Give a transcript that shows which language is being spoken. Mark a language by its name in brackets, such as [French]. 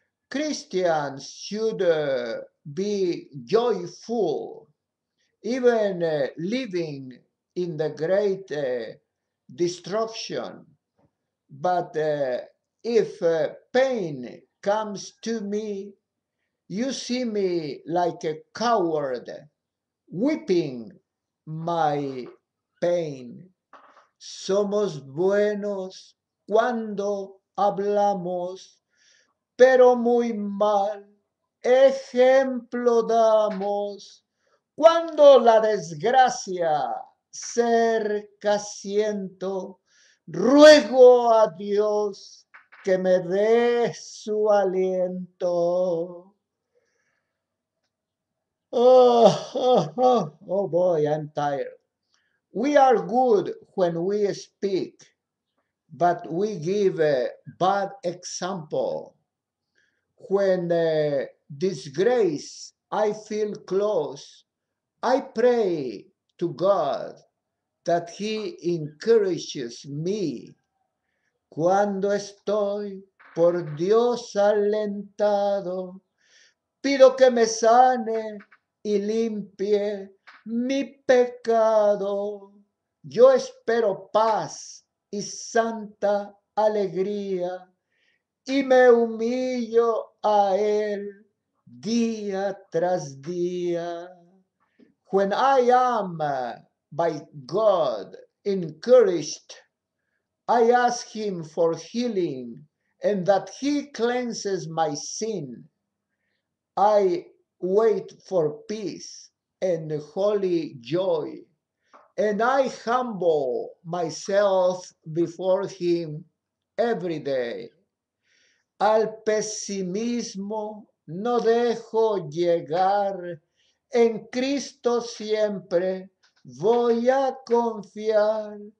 [English] Christians should be joyful, even living in the great destruction. But if pain comes to me, you see me like a coward, weeping my pain. [Spanish] Somos buenos cuando hablamos, pero muy mal ejemplo damos cuando la desgracia cerca siento. Ruego a Dios que me dé su aliento. [English] Oh boy, I'm tired. We are good when we speak, but we give a bad example. When disgrace I feel close, I pray to God that He encourages me. [Spanish] Cuando estoy por Dios alentado, pido que me sane y limpie mi pecado. Yo espero paz y santa alegría y me humillo a él día tras día. [English] When I am by God encouraged, I ask Him for healing and that He cleanses my sin. I wait for peace and holy joy, and I humble myself before Him every day. [Spanish] Al pesimismo no dejo llegar, en Cristo siempre voy a confiar.